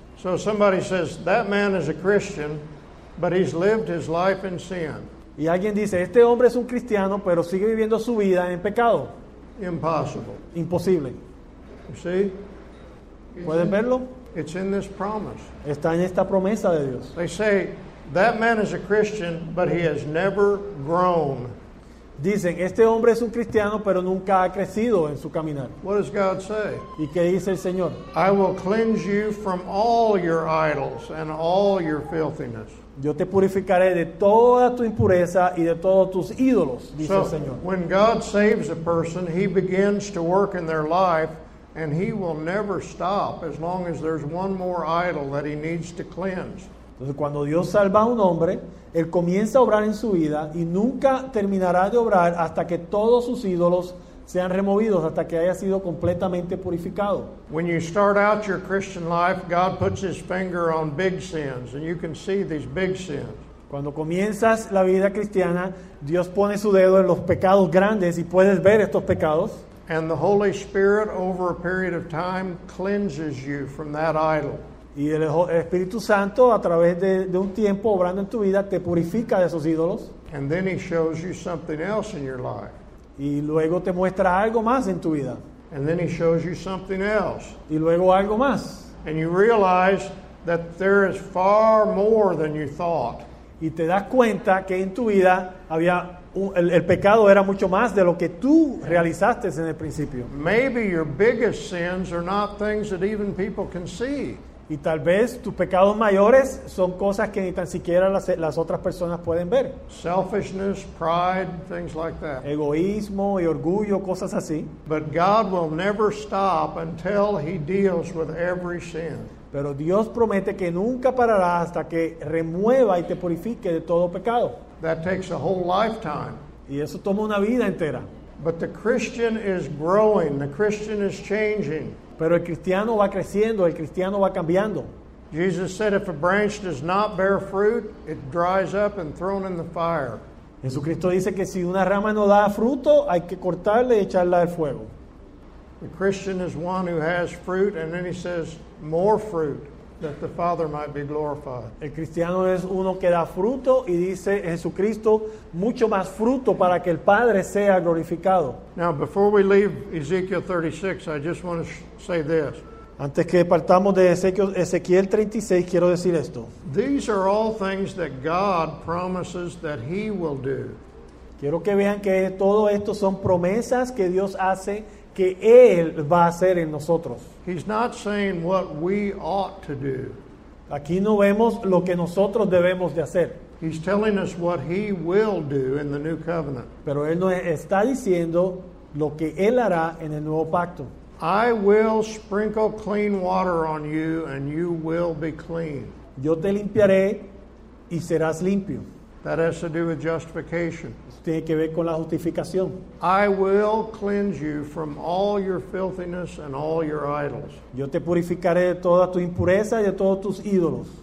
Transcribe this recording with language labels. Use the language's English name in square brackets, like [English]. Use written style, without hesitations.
[English] So somebody says, that man is a Christian, but he's lived his life in sin. [Spanish] Y alguien dice, este hombre es un cristiano, pero sigue viviendo su vida en pecado. [English] Impossible. [Spanish] Imposible. [English] You see? [Spanish] ¿Pueden verlo? [English] It's in this promise. [Spanish] Está en esta promesa de Dios. [English] They say, that man is a Christian, but he has never grown. [Spanish] Dicen, este hombre es un cristiano, pero nunca ha crecido en su caminar. [English] What does God say? [Spanish] ¿Y qué dice el Señor? [English] I will cleanse you from all your idols and all your filthiness. [Spanish] Yo te purificaré de toda tu impureza y de todos tus ídolos, dice [English] so, [Spanish] el Señor. [English] When God saves a person, he begins to work in their life, and he will never stop as long as there's one more idol that he needs to cleanse. [Spanish] Entonces, cuando Dios salva a un hombre, él comienza a obrar en su vida y nunca terminará de obrar hasta que todos sus ídolos sean removidos, hasta que haya sido completamente purificado. [English] When you start out your Christian life, God puts his finger on big sins, and you can see these big sins. [Spanish] Cuando comienzas la vida cristiana, Dios pone su dedo en los pecados grandes y puedes ver estos pecados. [English] And the Holy Spirit, over a period of time, cleanses you from that idol. [Spanish] Y el Espíritu Santo a través de un tiempo obrando en tu vida te purifica de esos ídolos. [English] And then he shows you something else in your life. [Spanish] Y luego te muestra algo más en tu vida. [English] And then he shows you something else. [Spanish] Y luego algo más. [English] And you realize that there is far more than you thought. [Spanish] Y te das cuenta que en tu vida había el pecado era mucho más de lo que tú realizaste en el principio. [English] Maybe your biggest sins are not things that even people can see. [Spanish] Y tal vez tus pecados mayores son cosas que ni tan siquiera las otras personas pueden ver. [English] Selfishness, pride, things like that. [Spanish] Egoísmo y orgullo, cosas así. [English] But God will never stop until he deals with every sin. [Spanish] Pero Dios promete que nunca parará hasta que remueva y te purifique de todo pecado. [English] That takes a whole lifetime. [Spanish] Y eso toma una vida entera. [English] But the Christian is growing, the Christian is changing. [Spanish] Pero el cristiano va creciendo, el cristiano va cambiando. [English] Jesus said if a branch does not bear fruit, it dries up and thrown in the fire. [Spanish] Jesucristo dice que si una rama no da fruto, hay que cortarla y echarla al fuego. [English] The Christian is one who has fruit, and then he says more fruit that the Father might be glorified. [Spanish] El cristiano es uno que da fruto y dice Jesucristo mucho más fruto para que el Padre sea glorificado. [English] Now before we leave Ezekiel 36, I just want to say this. [Spanish] Antes que partamos de Ezequiel 36, quiero decir esto. [English] These are all things that God promises that he will do. [Spanish] Quiero que vean que todo esto son promesas que Dios hace que él va a hacer en nosotros. [English] He's not saying what we ought to do. [Spanish] Aquí no vemos lo que nosotros debemos de hacer. [English] He's telling us what he will do in the new covenant. [Spanish] Pero él nos está diciendo lo que él hará en el nuevo pacto. [English] I will sprinkle clean water on you and you will be clean. [Spanish] Yo te limpiaré y serás limpio. [English] That has to do with justification. [Spanish] Tiene que ver con la justificación. [English] I will cleanse you from all your filthiness and all your idols. [Spanish] Yo te purificaré de toda tu impureza y de todos tus ídolos.